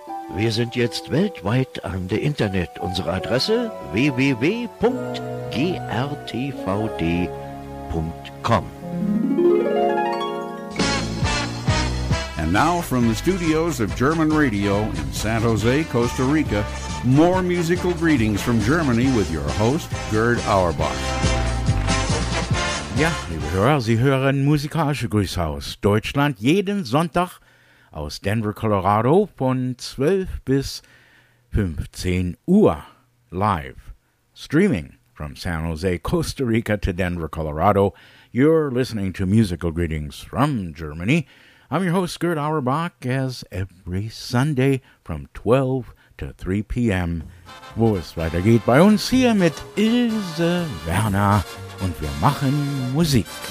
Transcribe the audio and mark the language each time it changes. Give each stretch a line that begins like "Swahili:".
German: Wir sind jetzt weltweit an der Internet. Unsere Adresse www.grtvd.com.
English: And now from the studios of German Radio in San Jose, Costa Rica, more musical greetings from Germany with your host, Gerd Auerbach.
German: Ja, liebe Hörer, Sie hören musikalische Grüße aus Deutschland jeden Sonntag aus Denver, Colorado von 12 bis 15 Uhr live.
English: Streaming from San Jose, Costa Rica to Denver, Colorado, you're listening to musical greetings from Germany. I'm your host, Gerd Auerbach, as every Sunday from 12 to 3 p.m.
German: Wo es weitergeht bei uns hier mit Ilse Werner. Und wir machen Musik.